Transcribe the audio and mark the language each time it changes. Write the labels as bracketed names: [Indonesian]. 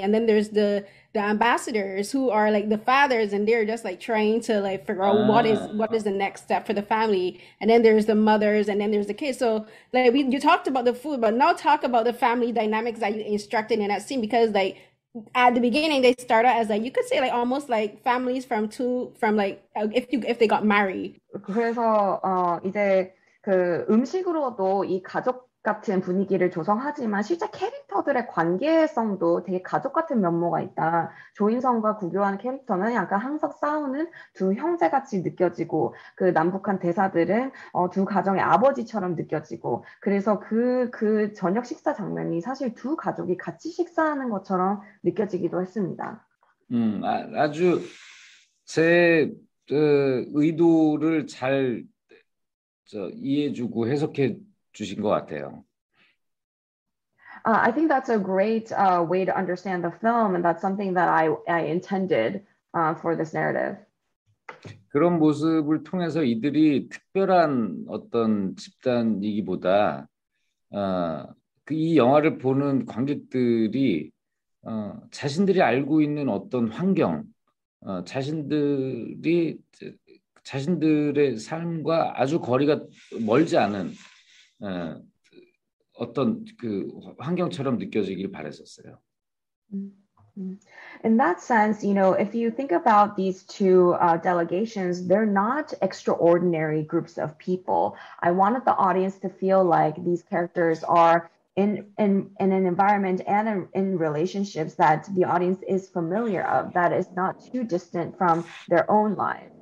[English] And then there's the ambassadors who are like the fathers, and they're just like trying to like figure out what is the next step for the family. And then there's the mothers, and then there's the kids. So like you talked about the food, but now talk about the family dynamics that you instructed in that scene, because like at the beginning they start out as like, you could say like almost like families from two, from like if they got married. [Korean] 그래서 이제 그 음식으로도 이 가족 같은 분위기를 조성하지만 실제 캐릭터들의 관계성도 되게 가족 같은 면모가 있다. 조인성과 구교환 캐릭터는 약간 항상 싸우는 두 형제같이 느껴지고 그 남북한 대사들은 두 가정의 아버지처럼 느껴지고 그래서 그 저녁 식사 장면이 사실 두 가족이 같이 식사하는 것처럼 느껴지기도 했습니다. 아주 제 의도를 잘 이해해주고 해석해 주신 것 같아요. [English] I think that's a great way to understand the film, and that's something that I intended for this narrative. [Korean] 그런 모습을 통해서 이들이 특별한 어떤 집단이기보다 이 영화를 보는 관객들이 자신들이 알고 있는 어떤 환경, 자신들이 자신들의 삶과 아주 거리가 멀지 않은 어떤 그 환경처럼 느껴지길 바랬었어요. [English] In that sense, you know, if you think about these two delegations, they're not extraordinary groups of people. I wanted the audience to feel like these characters are in an environment and in relationships that the audience is familiar of, that is not too distant from their own lives.